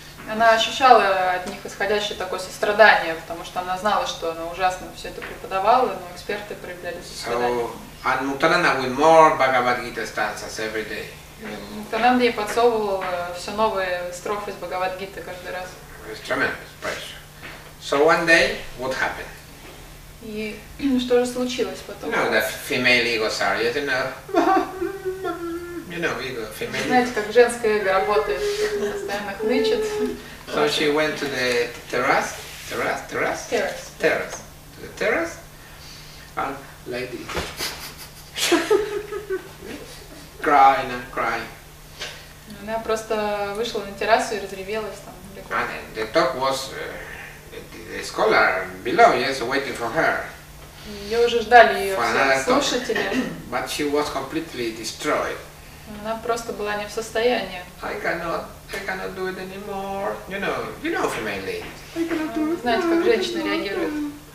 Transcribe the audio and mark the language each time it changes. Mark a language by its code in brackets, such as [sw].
[ru] Она ощущала от них исходящее такое сострадание, потому что она знала, что она ужасно все это преподавала, но эксперты проявляли сострадание. [en] So, Muktananda with more Bhagavad Gita stanzas every day. [ru] Muktananda ей подсовывал все новые строфы из Бхагавад Гиты каждый раз. [en] It's tremendous pressure. So one day, what happened? [ru] И что же случилось потом? [en] You know, the female ego, sorry, you know. You know, ego, female. [ru] Знаете, как женское эго работает, постоянно хнычет. [en] So she went to the terrace, and lady, crying. [ru] Она просто вышла на террасу и разревелась там. [en] And the talk was the scholar below, yes, waiting for her. [ru] Ее уже ждали ее слушатели. [en] But she was completely destroyed. [ru] Она просто была не в состоянии. [en] I cannot do it anymore. You know, female lady. [ru] Знаете, как женщина реагирует?